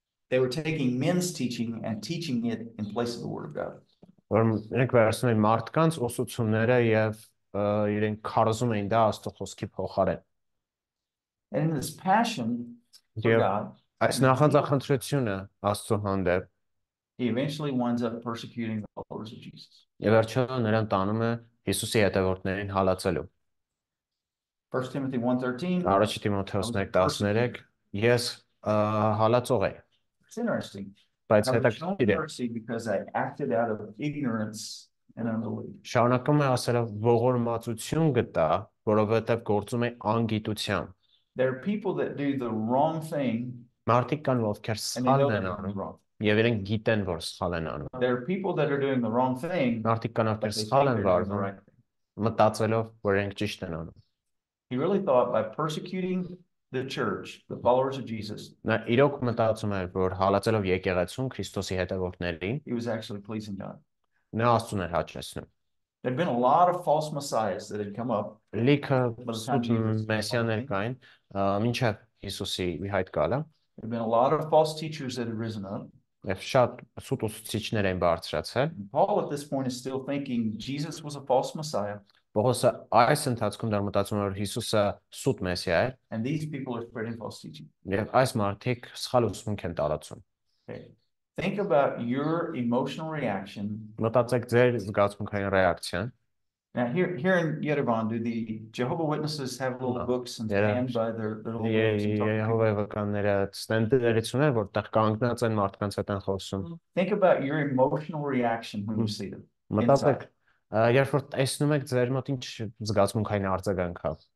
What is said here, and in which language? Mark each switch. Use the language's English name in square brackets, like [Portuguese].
[English] they were taking men's teaching and teaching it in place of the word of God. [Armenian] Որոնք վերցնում էին մարդկանց ուսուցումները եւ իրենք քարոզում էին դա Աստծո խոսքի փոխարեն։ [English] And in this passion for God, [Armenian] այս նախանձախ ընտրությունը Աստծո հանդեպ, [English] he eventually winds up persecuting the followers of Jesus. [Armenian] Եվ վերջո նրան տանում է Հիսուսի հետևորդներին հալածելու։ [English] 1 Timothy 1:13 [Armenian] Առաջ Թիմոթեոս 1:13 Ես հալածող եմ։ [English] It's interesting. [Armenian] Բայց հետա [English] mercy because I acted out of ignorance and unbelief. [Armenian] Շառնակում է ասելով ողորմածություն գտա, որովհետև գործում է անգիտությամբ։ [English] There are people that do the wrong thing. [Armenian] Մարդիկ կան, ովքեր սխալ են անում, եւ իրենք գիտեն, որ սխալ են անում։ [English] There are people that are doing the wrong thing. [Armenian] Մարդիկ կան, ովքեր սխալ են վարում, մտածելով, որ իրենք ճիշտ են անում։ [English] He really thought by persecuting the church, the followers of Jesus, [Armenian] Նա իրոք մտածում էր, որ հալածելով եկեղեցուն Քրիստոսի հետևորդներին, [English] he was actually pleasing God. [Armenian] Նա Աստծուն էր հաճեցնում. [English] There had been a lot of false messiahs that had come up. [Armenian] Լիքը մեսիաներ կային, մինչև Հիսուսի հայտ գալը. [English] There had been a lot of false teachers that had risen up. [Armenian] Եվ շատ սուտ ուսուցիչներ էին բարձրացել. [English] Paul at this point is still thinking Jesus was a false messiah. [Armenian] Պողոսը այս ընթացքում դեռ մտածում էր, որ Հիսուսը սուտ մեսիա էր։ [English] And these people are spreading false teaching. [Armenian] Եվ այս մարդիկ սխալ ուսմունք են տարածում։ [English] Think about your emotional reaction. [Armenian] Մտածեք ձեր զգացմունքային ռեակցիան։ [English] Now here in Yerevan, do the Jehovah Witnesses have little books and stand by their little books and talk to people? [Armenian] Եհովա վկաները ստենդերից ուներ, որտեղ կանգնած են մարդկանց հետ են խոսում։ [English] Think about your emotional reaction when you see them. [Armenian] Մտածեք, երբ որ տեսնում եք ձեր մոտ ինչ զգացմունքային արձագանքա։